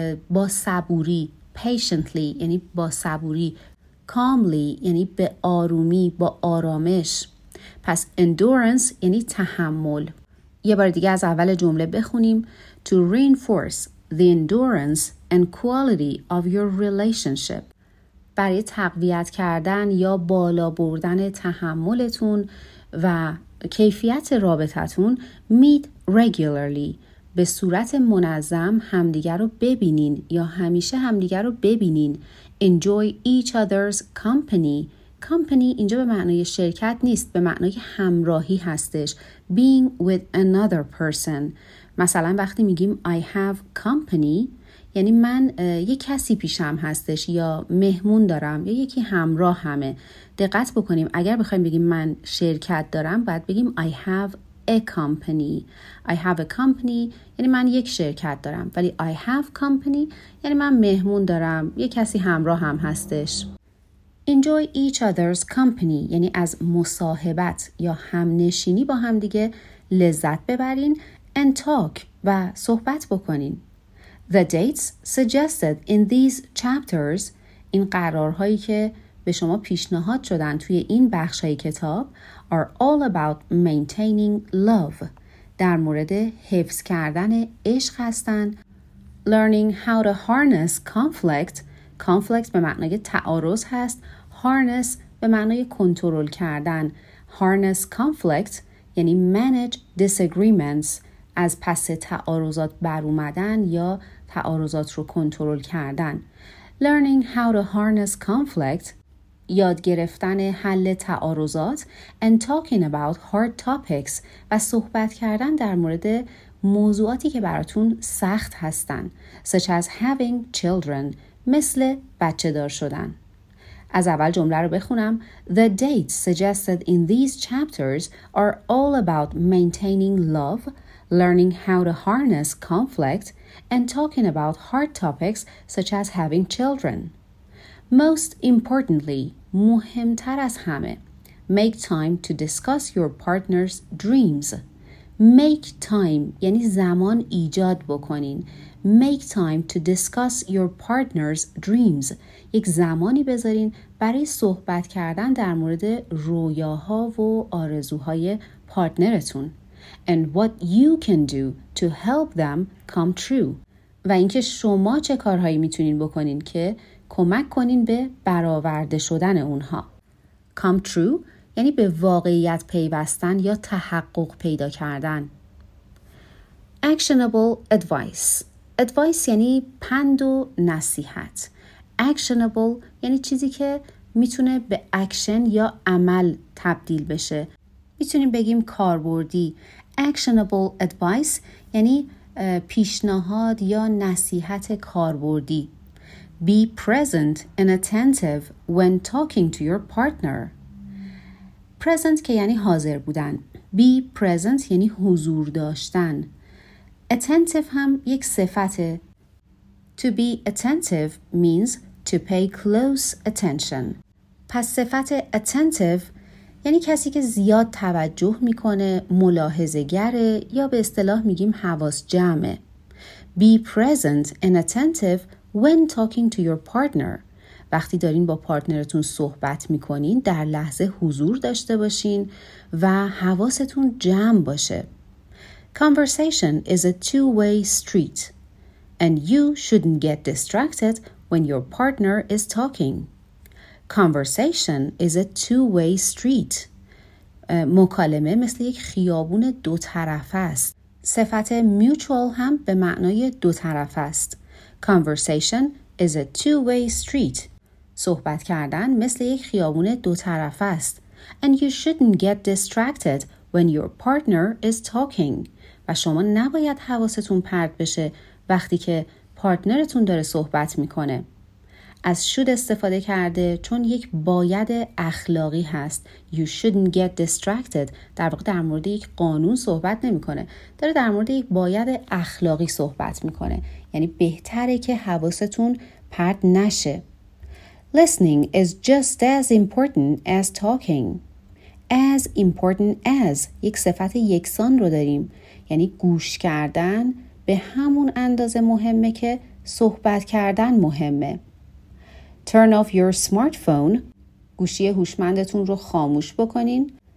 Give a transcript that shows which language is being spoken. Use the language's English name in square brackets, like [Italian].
[Persian] با صبوری patiently یعنی با صبوری calmly یعنی به آرومی با آرامش پس endurance یعنی تحمل یه بار دیگه از اول جمله بخونیم [English] to reinforce The endurance and quality of your relationship. [Persian] برای تقویت کردن یا بالا بردن تحملتون و کیفیت رابطتون [English] meet regularly. [Persian] به صورت منظم همدیگر رو ببینین یا همیشه همدیگر رو ببینین. [English] Enjoy each other's company. [Persian] Company اینجا به معنای شرکت نیست. به معنای همراهی هستش. [English] Being with another person. [Persian] مثلا وقتی میگیم [English] I have company [Persian] یعنی من یک کسی پیشم هستش یا مهمون دارم یا یکی همراه همه دقت بکنیم اگر بخوایم بگیم من شرکت دارم باید بگیم [English] I have a company I have a company [Persian] یعنی من یک شرکت دارم ولی I have company یعنی من مهمون دارم یک کسی همراه هم هستش [English] enjoy each other's company [Persian] یعنی از مصاحبت یا همنشینی با هم دیگه لذت ببرین [English] and talk [Persian] و صحبت بکنین. [English] The dates suggested in these chapters [Persian] این قرارهایی که به شما پیشنهاد شدن توی این بخش های کتاب [English] are all about maintaining love [Persian] در مورد حفظ کردن عشق هستن. [English] Learning how to harness conflict. [Persian] Conflict به معنای تعارض هست. Harness به معنای کنترل کردن. Harness conflict یعنی [English] manage disagreements [Persian] از پس تعارضات بر اومدن یا تعارضات رو کنترل کردن. [English] Learning how to harness conflict [Persian] یاد گرفتن حل تعارضات [English] and talking about hard topics [Persian] و صحبت کردن در مورد موضوعاتی که براتون سخت هستن [English] such as having children [Persian] مثل بچه دار شدن. از اول جمله رو بخونم. [English] The dates suggested in these chapters are all about maintaining love, learning how to harness conflict and talking about hard topics such as having children. Most importantly, [Persian] مهمتر از همه, [English] make time to discuss your partner's dreams. [Persian] Make time یعنی زمان ایجاد بکنین. [English] Make time to discuss your partner's dreams. [Persian] یک زمانی بذارین برای صحبت کردن در مورد رویاها و آرزوهای پارتنرتون. [English] And what you can do to help them come true. [Persian] و اینکه شما چه کارهایی میتونین بکنین که کمک کنین به برآورده شدن اونها. Come true یعنی به واقعیت پیوستن یا تحقق پیدا کردن. [English] Actionable advice. [Persian] Advice یعنی پند و نصیحت. Actionable یعنی چیزی که میتونه به اکشن یا عمل تبدیل بشه. میتونیم بگیم کاربردی. Actionable advice یعنی پیشنهاد یا نصیحت کاربردی. [English] Be present and attentive when talking to your partner. [Persian] Present که یعنی حاضر بودن. Be present یعنی حضور داشتن. Attentive هم یک صفته. [English] To be attentive means to pay close attention. [Persian] پس صفت attentive یعنی کسی که زیاد توجه میکنه، ملاحظه‌گره یا به اصطلاح میگیم حواس جمعه. [English] Be present and attentive when talking to your partner. [Persian] وقتی دارین با پارتنرتون صحبت میکنین، در لحظه حضور داشته باشین و حواستون جمع باشه. [English] Conversation is a two-way street and you shouldn't get distracted when your partner is talking. Conversation is a two-way street. [Persian] مکالمه مثل یک خیابون دو طرف است. صفت mutual هم به معنای دو طرف است. [English] Conversation is a two-way street. [Persian] صحبت کردن مثل یک خیابون دو طرف است. [English] And you shouldn't get distracted when your partner is talking. [Persian] و شما نباید حواستون پرت بشه وقتی که پارتنرتون داره صحبت میکنه. از should استفاده کرده چون یک باید اخلاقی هست. [English] You shouldn't get distracted [Persian] در واقع در مورد یک قانون صحبت نمی کنه. داره در مورد یک باید اخلاقی صحبت می کنه. یعنی بهتره که حواستون پرت نشه. [English] Listening is just as important as talking. [Persian] As important as یک صفت یکسان رو داریم. یعنی گوش کردن به همون اندازه مهمه که صحبت کردن مهمه. [English] Turn off your smartphone. [Persian] گوشی هوشمندتون رو خاموش بکنین.